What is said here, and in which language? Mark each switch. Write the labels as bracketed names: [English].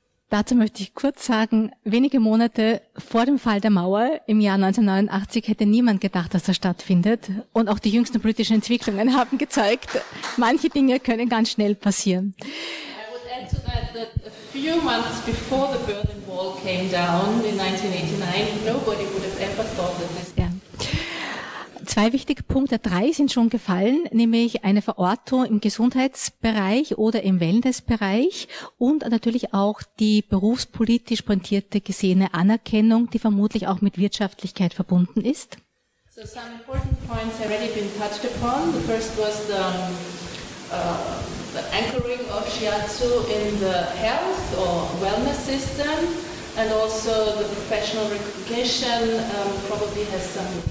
[German] Dazu möchte ich kurz sagen, wenige Monate vor dem Fall der Mauer im Jahr 1989 hätte niemand gedacht, dass das stattfindet. Und auch die jüngsten politischen Entwicklungen haben gezeigt, manche Dinge können ganz schnell passieren. [English] I would add to that, that a few months before the Berlin Wall came down in 1989, nobody would have ever thought that this. [German] Ja. Zwei wichtige Punkte, drei sind schon gefallen, nämlich eine Verortung im Gesundheitsbereich oder im Wellnessbereich und natürlich auch die berufspolitisch pointierte gesehene Anerkennung, die vermutlich auch mit Wirtschaftlichkeit verbunden ist. [English] So some important points have already been touched upon. The first was the anchoring of Shiatsu in the health or wellness system and also the professional recognition probably has some.